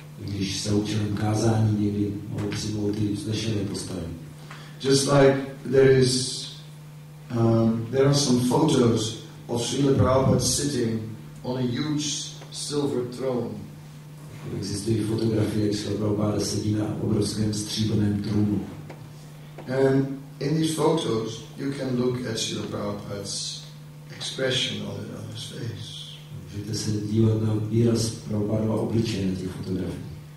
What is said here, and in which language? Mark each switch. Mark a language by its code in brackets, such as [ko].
[cs] Když se učím kázání, někdy mohu přijmout ty vznešené postavy. [en] Just like there is, there are some photos of Srila Prabhupada sitting on a huge silver throne. [cs] Existují fotografie, jak Srila Prabhupada sedí na obrovském stříbrném trůnu. [en] And in these photos, you can look at Srila Prabhupada's expression on his face. [cs] Můžete se dívat na výraz Prabhupada obličeje na těch fotografiích.